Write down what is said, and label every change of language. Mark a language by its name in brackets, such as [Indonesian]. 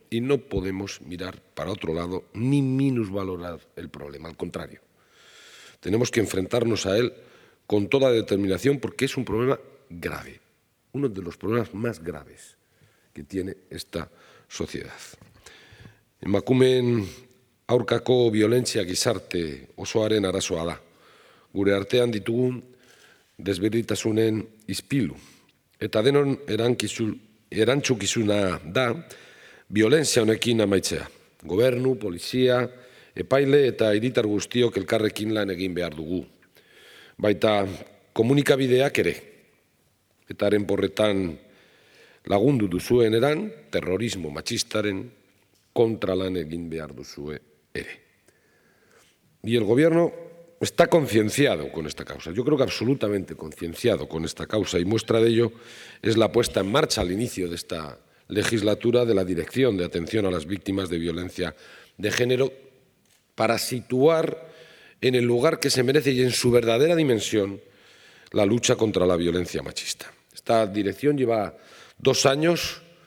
[Spanish] Y no podemos mirar para otro lado ni minusvalorar el problema, al contrario. Tenemos que enfrentarnos a él con toda determinación porque es un problema grave, uno de los problemas más graves que tiene esta sociedad. [Basque] Emakumeen aurkako violentzia gizarte osoaren arazoa da. Gure artean ditugun desberdintasunen ispilu. Eta denon erantzukizuna da violentzia honekin amaitzea. Gobernu, polizia, epaile eta hiritar guztiok elkarrekin lan egin behar dugu. Baita komunikabideak ere. Eta haren porretan lagundu duzuen eran terrorismo matxistaren kontra lan egin behar duzue. [Spanish] Y el gobierno está concienciado con esta causa, yo creo que absolutamente concienciado con esta causa, y muestra de ello es la puesta en marcha al inicio de esta legislatura de la Dirección de Atención a las Víctimas de Violencia de Género para situar en el lugar que se merece y en su verdadera dimensión la lucha contra la violencia machista. Esta dirección lleva 2 años